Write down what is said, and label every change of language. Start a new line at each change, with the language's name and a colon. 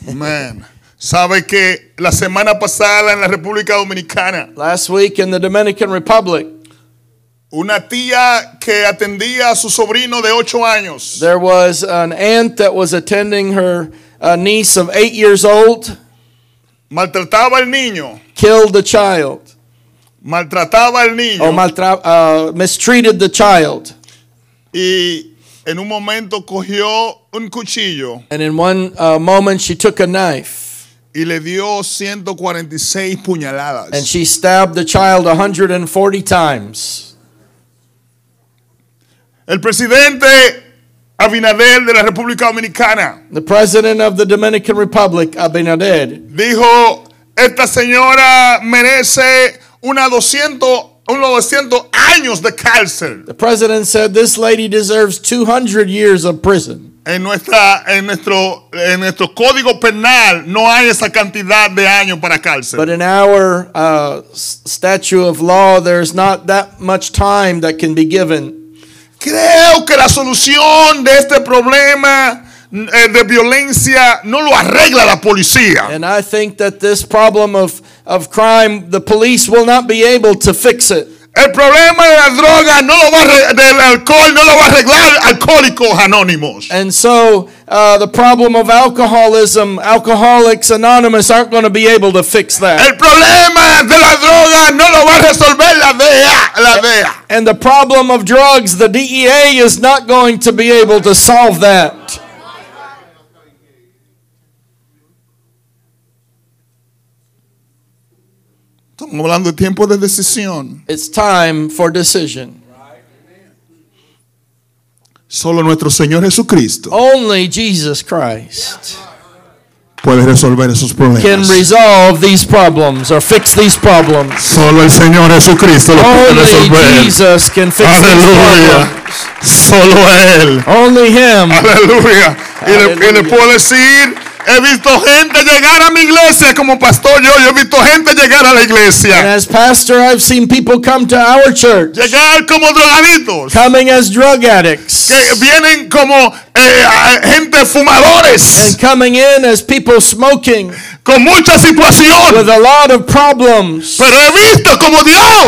Spanish: Man, sabe que la semana pasada en la República Dominicana.
English: Last week in the Dominican Republic.
Spanish: Una tía que atendía a su sobrino de 8 años.
English: There was an aunt that was attending her niece of 8 years old.
Spanish: Maltrataba al niño.
English: Killed the child.
Spanish: Maltrataba al niño.
English: Or mistreated the child.
Spanish: Y en un momento cogió un cuchillo.
English: And in one moment she took a knife.
Spanish: Y le dio 146 puñaladas.
English: And she stabbed the child 140 times.
Spanish: El presidente Abinader de la República Dominicana.
English: The president of the Dominican Republic, Abinader.
Spanish: Dijo, esta señora merece una 200 años de cárcel.
English: The president said this lady deserves 200 years of prison.
Spanish: En nuestro código penal no hay esa cantidad de años para cárcel.
English: But in our statute of law there's not that much time that can be given.
Spanish: Creo que la solución de este problema de violencia no lo arregla la policía.
English: And I think that this problem of crime, the police will not be able to fix it.
Spanish: El problema de la droga no lo va a del alcohol no lo va a arreglar Alcohólicos Anónimos.
English: And so the problem of alcoholism, Alcoholics Anonymous aren't going to be able to fix that.
Spanish: El problema de la droga no lo va a resolver la DEA.
English: And the problem of drugs, the DEA is not going to be able to solve that.
Spanish: Estamos hablando de tiempo de decisión.
English: It's time for decision.
Spanish: Solo nuestro Señor Jesucristo.
English: Only Jesus Christ.
Spanish: Puede resolver esos problemas.
English: Can resolve these problems or fix these problems.
Spanish: Solo el Señor Jesucristo lo puede resolver.
English: Only Jesus can fix these problems.
Spanish: Aleluya. Solo él.
English: Only him.
Spanish: Aleluya. Y le puedo decir. He visto gente llegar a mi iglesia como pastor. Yo he visto gente llegar a la iglesia.
English: And as pastor, I've seen people come to our church.
Spanish: Llegar como drogaditos.
English: Coming as drug addicts.
Spanish: Que vienen como gente fumadores.
English: And coming in as people smoking.
Spanish: Con mucha situación.
English: With a lot of problems.
Spanish: Pero he visto como Dios.